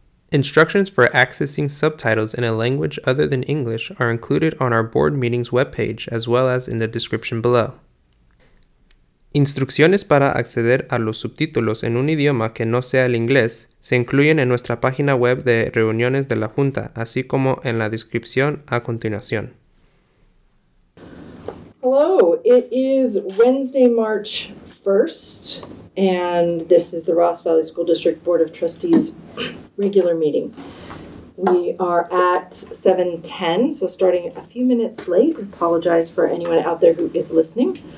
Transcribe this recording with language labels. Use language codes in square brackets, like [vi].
[en] Instructions for accessing subtitles in a language other than English are included on our board meetings webpage as well as in the description below. [es] Instrucciones para acceder a los subtítulos en un idioma que no sea el inglés se incluyen en nuestra página web de reuniones de la Junta, así como en la descripción a continuación. [en] Hello, it is Wednesday, March 1st, and this is the Ross Valley School District Board of Trustees regular meeting. We are at 7:10, so starting a few minutes late. I apologize for anyone out there who is listening.